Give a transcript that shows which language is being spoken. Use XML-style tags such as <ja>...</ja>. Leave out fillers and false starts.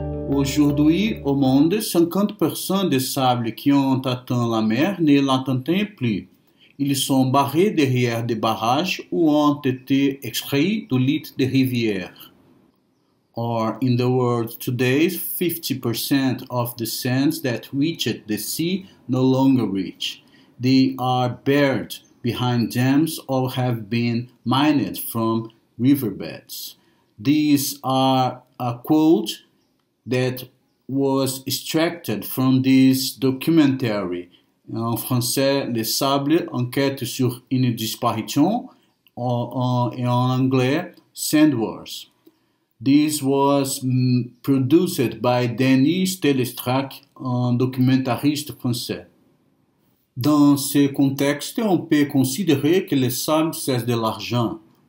<fr>Aujourd'hui, au monde, 50% des sables qui ont atteint la mer ne l'atteignent plus. Ils sont barrés derrière des barrages ou ont été extraits du lit des rivières.</fr> <en>Or, in the world today, 50% of the sands that reached the sea no longer reach. They are buried behind dams or have been mined from riverbeds. These are a quote that was extracted from this documentary,</en> <fr>en français,</fr> <en>Le Sable, Enquête sur une disparition,</en> <fr>en anglais,</fr> <en>sandbars. This was produced by Denis Telestrac,</en> <fr>un documentariste français. Dans ce contexte, on peut considérer que le sable, c'est de l'argent.</fr>